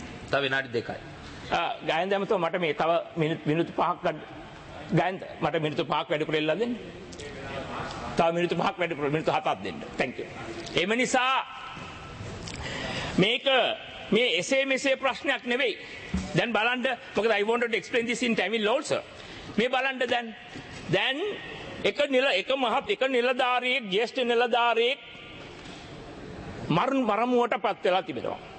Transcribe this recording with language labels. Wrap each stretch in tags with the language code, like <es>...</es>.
<si>තව විනාඩි දෙකයි. ගයන් දැමතෝ මට මේ තව මිනිත්තු පහක් ගයන් මට මිනිත්තු පහක් වැඩිපුර ඉල්ලලා දෙන්න. තව මිනිත්තු පහක් වැඩිපුර මිනිත්තු හතක් දෙන්න.</si> <en>Thank you.</en> <si>එම නිසා මේක මේ එසේ මෙසේ ප්‍රශ්නයක් නෙවෙයි. දැන් බලන්න මොකද</si> <en>I wanted to explain this in Tamil also.</en> <si>මේ බලන්න දැන් එක නිලධාරියෙක් ජ්‍යෙෂ්ඨ නිලධාරියෙක් මරණ වරමුවටපත් වෙලා තිබෙනවා.</si>